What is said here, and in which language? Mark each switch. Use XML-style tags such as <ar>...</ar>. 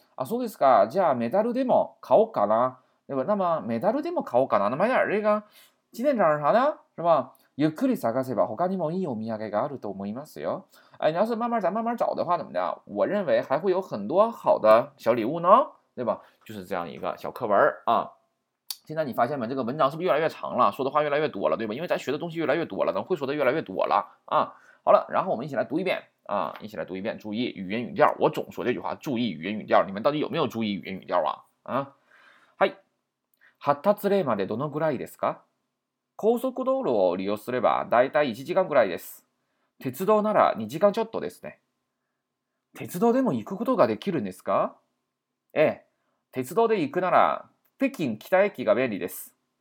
<ja>啊，そうですか。じゃあメダルでも買おうかな，</ja> <zh>对吧？那么</zh> <ja>メダルでも買おうかな，</ja> <zh>那买点这个纪念章啥的，是吧？</zh> <ja>ゆっくり探せば他にもいいお土産があると思いますよ。</ja> <zh>哎，你要是慢慢找的话，怎么的？我认为还会有很多好的小礼物呢，对吧？就是这样一个小课文啊。现在你发现没？这个文章是不是越来越长了？说的话越来越多了，对吧？因为咱学的东西越来越多了，咱会说的越来越多了啊。好了，然后我们一起来读一遍啊，一起来读一遍。注意语言语调，我总说这句话，注意语言语调。你们到底有没有注意语言语调啊？</zh> <ja>啊，はい。発達例までどのぐらいですか？高速道路を利用すればだいたい1時間ぐらいです。鉄道なら2時間ちょっとですね。鉄道でも行くことができるんですか？ええ、鉄道で行くなら北京北駅が便利です。</ja>